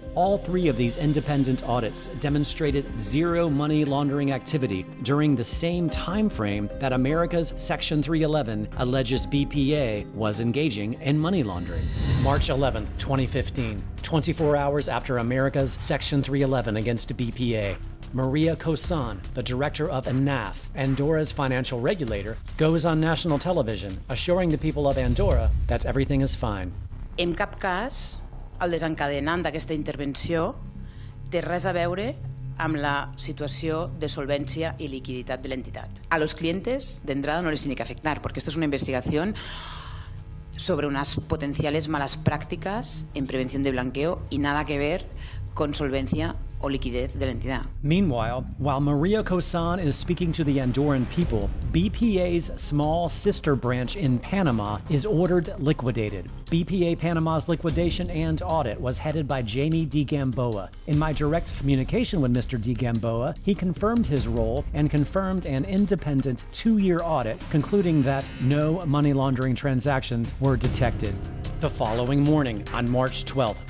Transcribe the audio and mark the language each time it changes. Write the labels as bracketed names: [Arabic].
[English] All three of these independent audits demonstrated zero money laundering activity during the same time frame that America's Section 311 alleges BPA was engaging in money laundering. March 11, 2015, 24 hours after America's Section 311 against BPA, Maria Cosan, the director of ENAF, Andorra's financial regulator, goes on national television, assuring the people of Andorra that everything is fine. [Catalan] En cap cas, el desencadenant d'aquesta intervenció té res a veure amb la situació de solvència i liquiditat de l'entitat. [Spanish] A los clientes, [Catalan] d'entrada, [Spanish] no les tiene que afectar, porque esto es una investigación sobre unas potenciales malas prácticas en prevención de blanqueo y nada que ver con solvencia o liquidez de la entidad. [English] Meanwhile, while Maria Cosan is speaking to the Andorran people, BPA's small sister branch in Panama is ordered liquidated. BPA Panama's liquidation and audit was headed by Jamie De Gamboa. In my direct communication with Mr. De Gamboa, he confirmed his role and confirmed an independent two-year audit, concluding that no money laundering transactions were detected. The following morning, on March 12th,